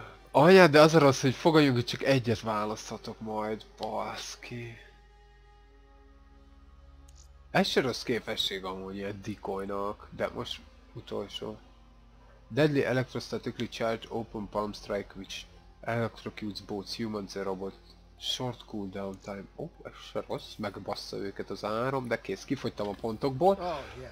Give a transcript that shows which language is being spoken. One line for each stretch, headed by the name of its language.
Hungarian: Anyád, de az a rossz, hogy fogadjunk, hogy csak egyet választhatok majd, baszki. Ez se rossz képesség amúgy ilyen decoynak, de most utolsó.
English: Deadly electrostatically charged open palm strike, which electrocutes both humans and robot. Short cooldown time.
Hungarian: Ez se rossz, megbassza őket az áram, de kész, kifogytam a pontokból.